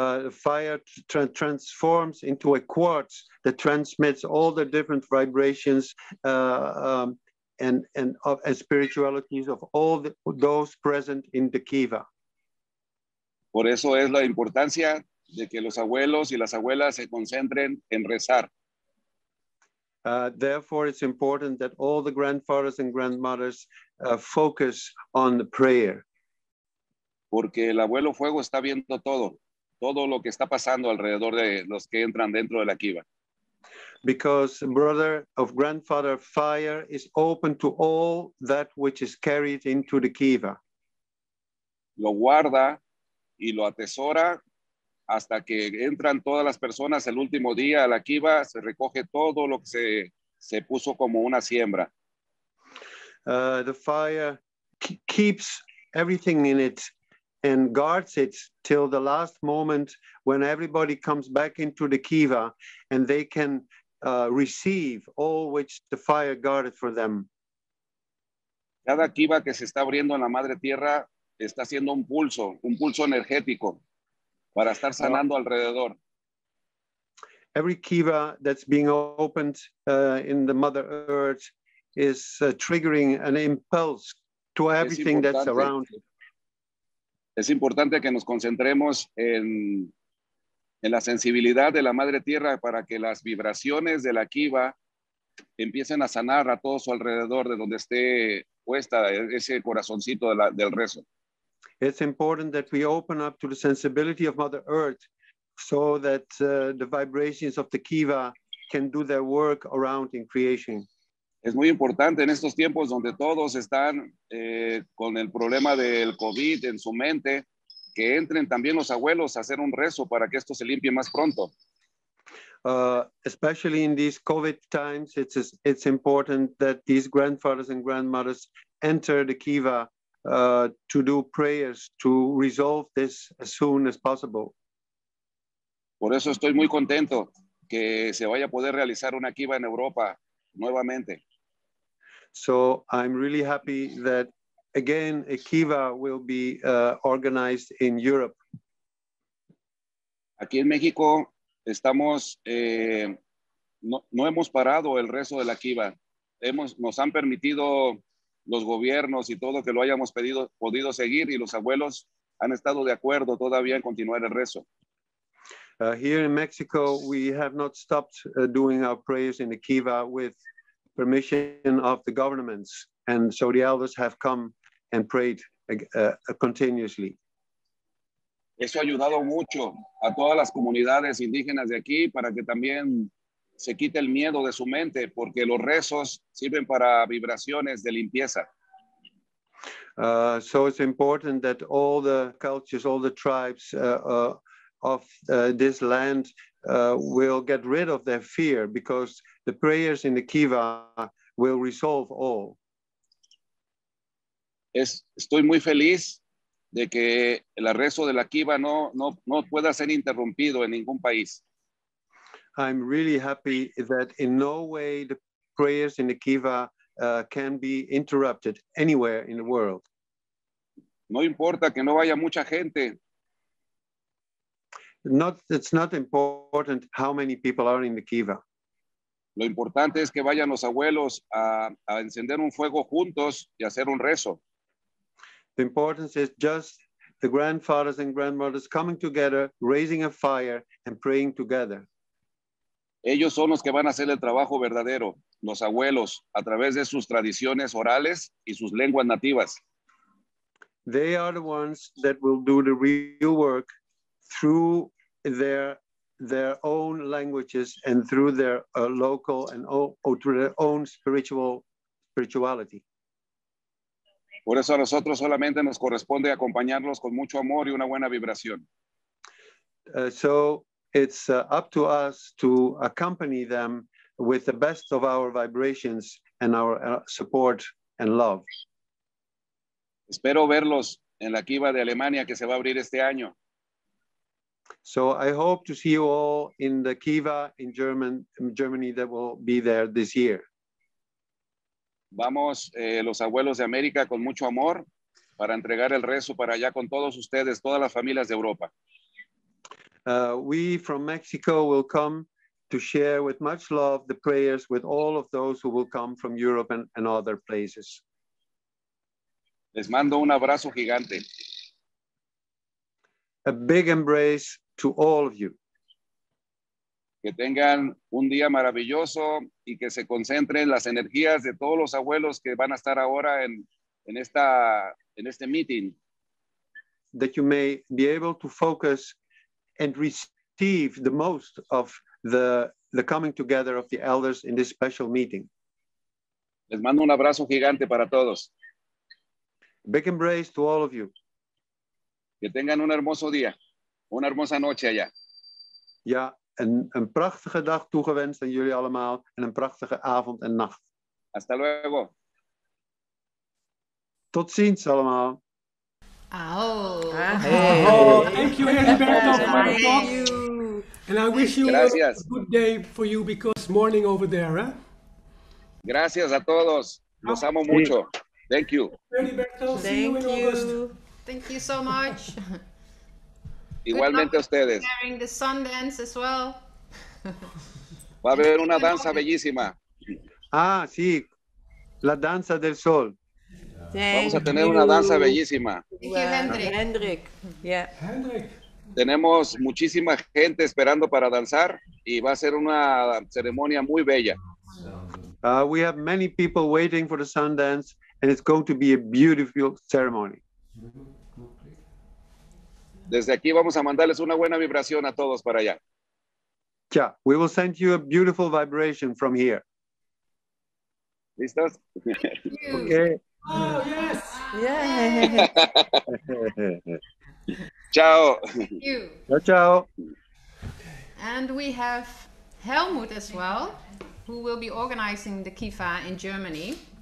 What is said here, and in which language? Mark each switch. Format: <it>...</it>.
<en>Fire transforms into a quartz that transmits all the different vibrations and spiritualities of all those present in the Kiva.</en> <es>Por eso es la importancia de que los abuelos y las abuelas se concentren en rezar.</es> <en>Therefore, it's important that all the grandfathers and grandmothers focus on the prayer.</en> <es>porque el abuelo fuego está viendo todo, todo lo que está pasando alrededor de los que entran dentro de la Kiva.</es> <en>Because brother of grandfather fire is open to all that which is carried into the Kiva.</en> <es>Lo guarda y lo atesora hasta que entran todas las personas el último día a la Kiva, se recoge todo lo que se puso como una siembra.</es> <en>The fire keeps everything in it and guards it till the last moment when everybody comes back into the Kiva and they can receive all which the fire guarded for them.</en> <es>Cada Kiva que se está abriendo en la Madre Tierra está haciendo un pulso energético para estar sanando alrededor.</es> <en>Every Kiva that's being opened in the Mother Earth is triggering an impulse to everything that's around.</en> <es>Es importante que nos concentremos en la sensibilidad de la Madre Tierra para que las vibraciones de la Kiva empiecen a sanar a todo su alrededor de donde esté puesta ese corazoncito del rezo.</es> <en>It's important that we open up to the sensibility of Mother Earth so that the vibrations of the Kiva can do their work around in creation.</en> <es>Es muy importante en estos tiempos donde todos están con el problema del COVID en su mente, que entren también los abuelos a hacer un rezo para que esto se limpie más pronto.</es> <en>Especially in these COVID times, it's important that these grandfathers and grandmothers enter the Kiva to do prayers to resolve this as soon as possible.</en> <es>Por eso estoy muy contento que se vaya a poder realizar una Kiva en Europa nuevamente.</es> <en>So I'm really happy that again a Kiva will be organized in Europe.</en> <es>Aquí en México estamos no hemos parado el rezo de la Kiva. Nos han permitido los gobiernos y todo que lo hayamos podido seguir, y los abuelos han estado de acuerdo todavía en continuar el rezo.</es> <en>Here in Mexico we have not stopped doing our prayers in the Kiva with permission of the governments, and so the elders have come and prayed continuously.</en> <es>Eso ha ayudado mucho a todas las comunidades indígenas de aquí para que también se quite el miedo de su mente, porque los rezos sirven para vibraciones de limpieza.</es> <en>So it's important that all the cultures, all the tribes of this land will get rid of their fear, because the prayers in the Kiva will resolve all.</en> <es>Estoy muy feliz de que el rezo de la Kiva no pueda ser interrumpido en ningún país.</es> <en>I'm really happy that in no way the prayers in the Kiva can be interrupted anywhere in the world.</en> <es>No importa que no vaya mucha gente.</es> <en>It's not important how many people are in the Kiva.</en> <es>Lo importante es que vayan los abuelos a encender un fuego juntos y hacer un rezo.</es> <en>The importance is just the grandfathers and grandmothers coming together, raising a fire and praying together.</en> <es>Ellos son los que van a hacer el trabajo verdadero, los abuelos, a través de sus tradiciones orales y sus lenguas nativas.</es> <en>They are the ones that will do the real work through their own languages and through their local and or through their own spirituality.</en> <es>Por eso a nosotros solamente nos corresponde acompañarlos con mucho amor y una buena vibración.</es> <en>So it's up to us to accompany them with the best of our vibrations and our support and love.</en> <es>Espero verlos en la Kiva de Alemania que se va a abrir este año.</es> <en>So I hope to see you all in the Kiva in Germany that will be there this year.</en> <es>Vamos los abuelos de América con mucho amor para entregar el rezo para allá con todos ustedes, todas las familias de Europa.</es> <en>We from Mexico will come to share with much love the prayers with all of those who will come from Europe and other places.</en> <es>Les mando un abrazo gigante.</es> <en>A big embrace to all of you.</en> <es>Que tengan un día maravilloso y que se concentren las energías de todos los abuelos que van a estar ahora en este meeting.</es> <en>that you may be able to focus and receive the most of the coming together of the elders in this special meeting.</en> <es>Les mando un abrazo gigante para todos.</es> <en>Big embrace to all of you.</en> <es>Que tengan un hermoso día, una hermosa noche allá.</es> <nl>Ja, een prachtige dag toegewenst aan jullie allemaal en een prachtige avond en nacht.</nl> <es>Hasta luego.</es> <nl>Tot ziens allemaal. Oh.</nl> <en>Hey. Oh, thank you, Heriberto, for the talk. And I wish you</en> <es>gracias.</es> <en>A good day for you because morning over there, eh?</en> <es>Gracias a todos. Los amo mucho.</es> <en>Thank you. Heriberto, see you in August. Thank you so much.</en> <es>Igualmente a ustedes.</es> <en>Sharing the sun dance as well.</en> <es>Va a haber una danza bellísima. Ah, sí. La danza del sol. Vamos a tener una danza bellísima. Hendrik. Tenemos muchísima gente esperando para danzar y va a ser una ceremonia muy bella.</es> <en>We have many people waiting for the sun dance and it's going to be a beautiful ceremony.</en> <es>Desde aquí vamos a mandarles una buena vibración a todos para allá.</es> <en>Yeah, we will send you a beautiful vibration from here.</en> <es>¿Listos?</es> <en>Okay. Oh, yes! Yeah!</en> <it>Ciao!</it> <en>Thank you!</en> <it>Ciao, ciao!</it> <en>And we have Helmut as well, who will be organizing the Kiva in Germany.</en>